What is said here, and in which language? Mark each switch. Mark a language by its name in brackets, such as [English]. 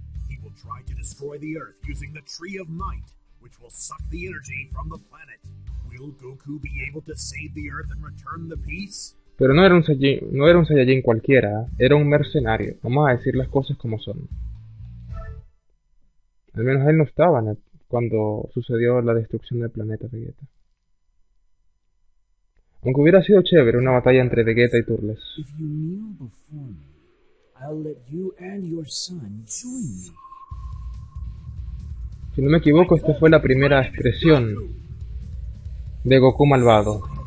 [English] He will try to destroy the Earth using the Tree of Might, which will suck the energy from the planet. Will Goku be able to save the Earth and return the peace? [Spanish] Pero no era un Saiyajin cualquiera, era un mercenario. Vamos a decir las cosas como son. Al menos él no estaba cuando sucedió la destrucción del planeta Vegeta. Aunque hubiera sido chévere una batalla entre Vegeta y Turles. [English] If you kneel before me, I'll let you and your son join me. [Spanish] Si no me equivoco, esta fue la primera expresión de Goku malvado.